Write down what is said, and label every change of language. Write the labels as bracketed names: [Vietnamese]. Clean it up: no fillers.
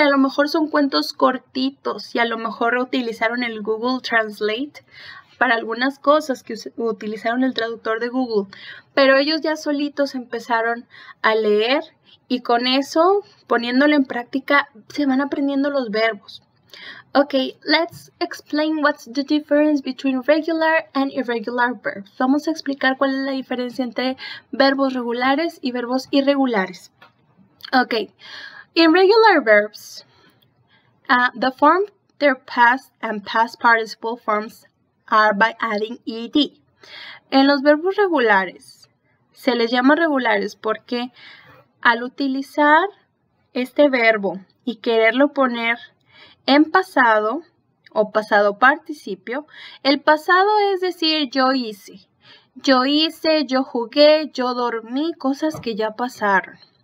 [Spanish] A lo mejor son cuentos cortitos y a lo mejor utilizaron el Google Translate para algunas cosas que utilizaron el traductor de Google, pero ellos ya solitos empezaron a leer y con eso, poniéndolo en práctica, se van aprendiendo los verbos. [English] Okay, let's explain what's the difference between regular and irregular verbs. [Spanish] Vamos a explicar cuál es la diferencia entre verbos regulares y verbos irregulares. [English] Okay, in regular verbs, the form, their past and past participle forms are by adding ed. [Spanish] En los verbos regulares, se les llama regulares porque al utilizar este verbo y quererlo poner en pasado o pasado participio, el pasado es decir yo hice, yo jugué, yo dormí, cosas que ya pasaron.